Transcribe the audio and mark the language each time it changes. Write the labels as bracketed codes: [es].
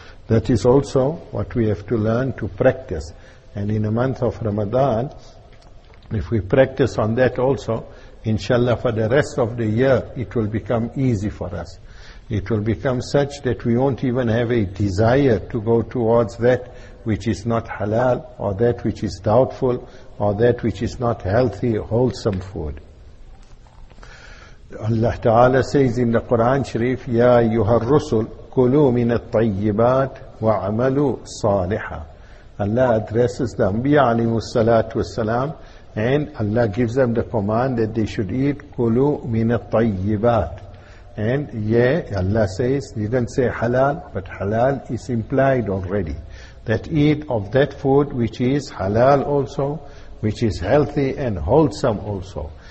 [en] That is also what we have to learn to practice. And in a month of Ramadan, if we practice on that also, inshallah, for the rest of the year, it will become easy for us. It will become such that we won't even have a desire to go towards that which is not halal, or that which is doubtful, or that which is not healthy, wholesome food. Allah Ta'ala says in the Quran Sharif, [ar] يَا أَيُّهَا الرُّسُلُ كُلُوا مِنَ الطَّيِّبَاتِ وَعَمَلُوا صَالِحًا. [en] Allah addresses the Anbiya alayhi salatu wasalam, and Allah gives them the command that they should eat [ar] كُلُوا مِنَ الطَّيِّبَاتِ. [en] And yeah, Allah says, he didn't say halal, but halal is implied already. That eat of that food which is halal also, which is healthy and wholesome also.